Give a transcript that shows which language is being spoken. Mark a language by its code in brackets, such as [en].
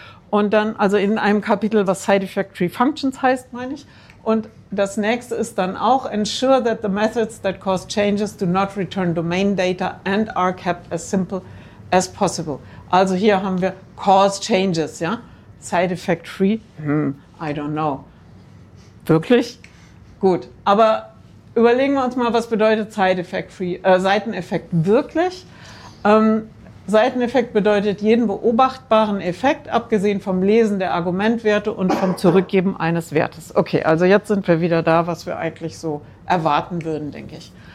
[de] Und dann, also in einem Kapitel, was side-effect-free functions heißt, meine ich. Und das nächste ist dann auch, [en] ensure that the methods that cause changes do not return domain data and are kept as simple as possible. [de] Also hier haben wir cause changes, ja. [en] Side-effect-free, I don't know. [de] Wirklich? Gut, aber überlegen wir uns mal, was bedeutet Seiteneffekt wirklich? Seiteneffekt bedeutet jeden beobachtbaren Effekt, abgesehen vom Lesen der Argumentwerte und vom Zurückgeben eines Wertes. Okay, also jetzt sind wir wieder da, was wir eigentlich so erwarten würden, denke ich.